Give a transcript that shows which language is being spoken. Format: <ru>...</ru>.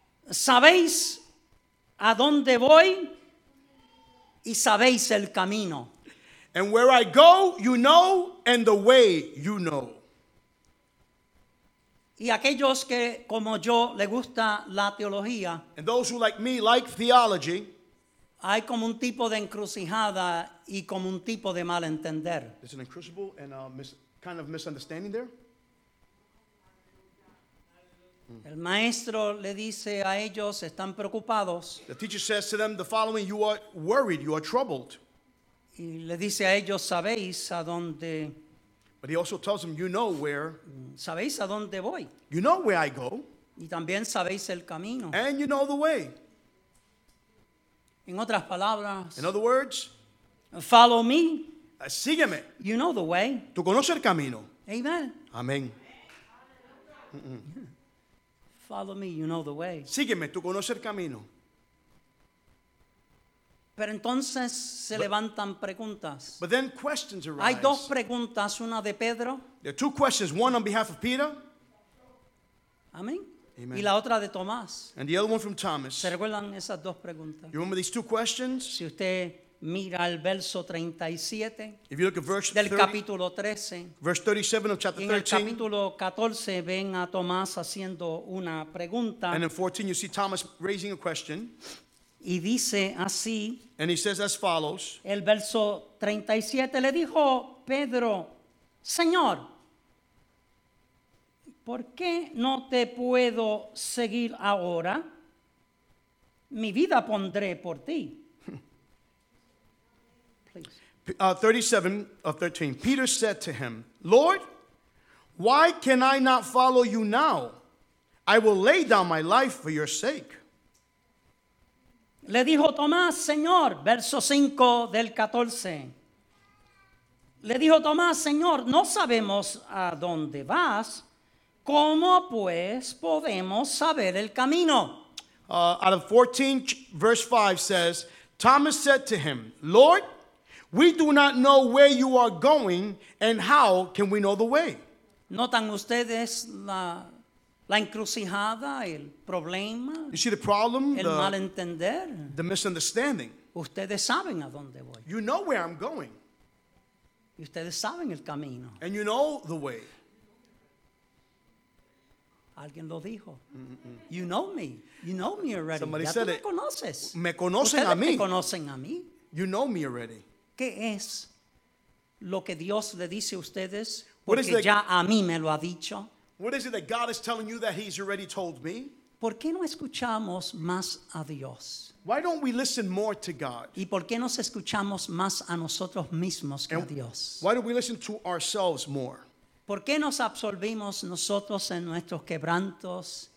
<es>Sabéis a dónde voy y sabéis el camino.</es> <en>And where I go, you know, and the way you know.</en> <es>Y aquellos que como yo le gusta la teología.</es> <en>And those who like me like theology.</en> <es>Hay como un tipo de encrucijada y como un tipo de malentender.</es> <en>There's an crucible and a kind of misunderstanding there.</en> <es>El maestro le dice a ellos, están preocupados.</es> <en>The teacher says to them the following, you are worried, you are troubled.</en> <es>Y le dice a ellos, sabéis a dónde.</es> <en>But he also tells them, you know where.</en> <es>Sabéis a dónde voy.</es> <en>You know where I go.</en> <es>Y también sabéis el camino.</es> <en>And you know the way.</en> <es>En otras palabras,</es> <en>in other words, follow me.</en> <es>Sígueme.</es> <en>You know the way.</en> <es>Tú conoces el camino.</es> <en>Amen.</en> <es>Amén.</es> <en>Follow me, you know the way.</en> <es>Sígueme, tú conoces el camino. Pero entonces se levantan preguntas.</es> <en>But then questions arise.</en> <es>Hay dos preguntas, una de Pedro.</es> <en>There are two questions, one on behalf of Peter.</en> <es>Amén.</es> <en>Amen.</en> <es>Y la otra de Tomás.</es> <en>And the other one from Thomas.</en> <es>¿Se recuerdan esas dos preguntas?</es> <en>You remember these two questions?</en> <es>Si usted mira el verso 37,</es> <en>if you look at verse 30,</en> <es>del capítulo 13,</es> <en>verse 37 of chapter 13,</en> <es>en el capítulo 14 ven a Tomás haciendo una pregunta.</es> <en>And in 14 you see Thomas raising a question.</en> <es>Y dice así.</es> <en>And he says as follows.</en> <es>El verso 37 le dijo Pedro, Señor, ¿por qué no te puedo seguir ahora? Mi vida pondré por ti.</es> <en>Please. 37 of 13. Peter said to him, Lord, why can I not follow you now? I will lay down my life for your sake.</en> <es>Le dijo Tomás, Señor, verso 5 del 14. Le dijo Tomás, Señor, no sabemos a dónde vas. ¿Cómo pues podemos saber el camino?</es> <en>Out of 14, verse 5 says, Thomas said to him, Lord, we do not know where you are going, and how can we know the way?</en> <es>¿Notan ustedes la encrucijada, el problema?</es> <en>You see the problem?</en> <es>El malentender.</es> <en>The misunderstanding.</en> <es>Ustedes saben a dónde voy.</es> <en>You know where I'm going.</en> <es>Y ustedes saben el camino.</es> <en>And you know the way.</en> <es>Alguien lo dijo.</es> <en>You know me. You know me already. Somebody</en> <es>ya</es> <en>said</en> <es>tú me conoces. It. Me conocen ustedes a mí. Me conocen a mí.</es> <en>You know me already.</en> <es>¿Qué es lo que Dios le dice a ustedes? Porque ya a mí me lo ha dicho.</es> <en>What is it that God is telling you that he's already told me?</en> <es>¿Por qué no escuchamos más a Dios?</es> <en>Why don't we listen more to God?</en> <es>¿Y por qué nos escuchamos más a nosotros mismos que a Dios?</es> <en>Why do we listen to ourselves more?</en> <es>¿Por qué nos absorbimos nosotros en nuestros quebrantos?</es>